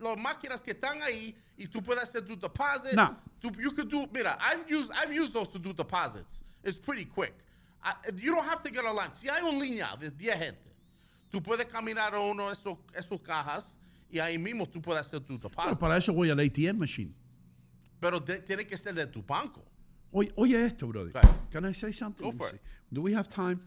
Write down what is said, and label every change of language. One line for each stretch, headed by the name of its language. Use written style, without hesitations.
Spanish: Los máquinas que están ahí y tú puedes hacer tu deposit. Nah.
English: You could do, mira, I've used those to do deposits. It's pretty quick. You don't have to get a line.
Spanish: Si hay un línea de 10 gente, tú puedes caminar a uno de esos cajas. Y ahí mismo tú puedes hacer tu deposit. Pero para eso voy al ATM machine. Pero tiene que ser de tu banco. Oye esto,
English: brother. Okay. Can I say something? Go for it. Do we have time?